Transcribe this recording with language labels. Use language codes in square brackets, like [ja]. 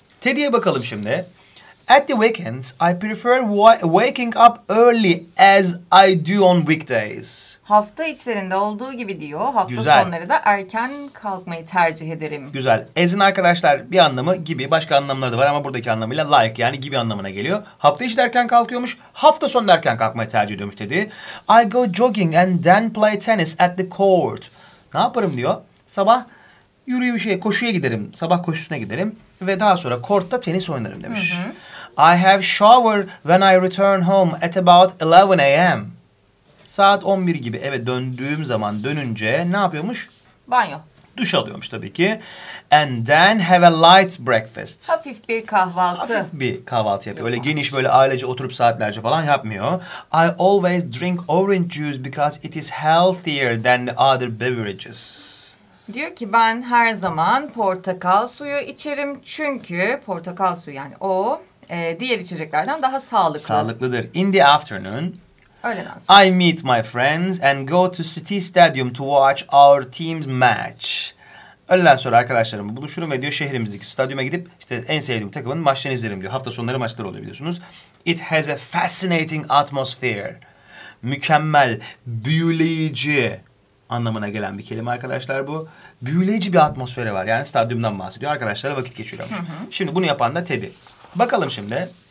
[tr] Teddy'ye bakalım şimdi. [en] At the weekends I prefer waking up early as I do on weekdays. [tr] Hafta içlerinde olduğu gibi diyor. Hafta Güzel. Sonları da erken kalkmayı tercih ederim. Güzel. As'in arkadaşlar bir anlamı gibi başka anlamları da var ama buradaki anlamıyla like yani gibi anlamına geliyor. Hafta içi erken kalkıyormuş. Hafta sonu erken kalkmayı tercih ediyormuş dedi. [en] I go jogging and then play tennis at the court. [tr] Ne yaparım diyor. Sabah koşuya giderim. Sabah koşusuna giderim. Ve daha sonra kortta tenis oynarım demiş. Hı hı. [en] I have shower when I return home at about 11 a.m. [tr] Saat 11 gibi eve döndüğüm zaman dönünce ne yapıyormuş? Banyo. Duş alıyormuş tabii ki. [en] And then have a light breakfast. [tr] Hafif bir kahvaltı. Hafif bir kahvaltı yapıyor. Öyle geniş böyle ailece oturup saatlerce falan yapmıyor. [en] I always drink orange juice because it is healthier than the other beverages. [tr] Diyor ki ben her zaman portakal suyu içerim çünkü portakal suyu yani o diğer içeceklerden daha sağlıklı. Sağlıklıdır. [en] In the afternoon [tr] öğleden sonra [en] I meet my friends and go to City Stadium to watch our team's match. [tr] Öğleden sonra arkadaşlarımla buluşurum ve diyor şehrimizdeki stadyuma gidip işte en sevdiğim takımın maçlarını izlerim diyor. Hafta sonları maçlar oluyor biliyorsunuz. [en] It has a fascinating atmosphere. [tr] Mükemmel, büyüleyici anlamına gelen bir kelime arkadaşlar bu. Büyüleyici bir atmosferi var. Yani stadyumdan bahsediyor. Arkadaşlara vakit geçiriyormuş. Hı hı. Şimdi bunu yapan da Teddy. Bakalım şimdi.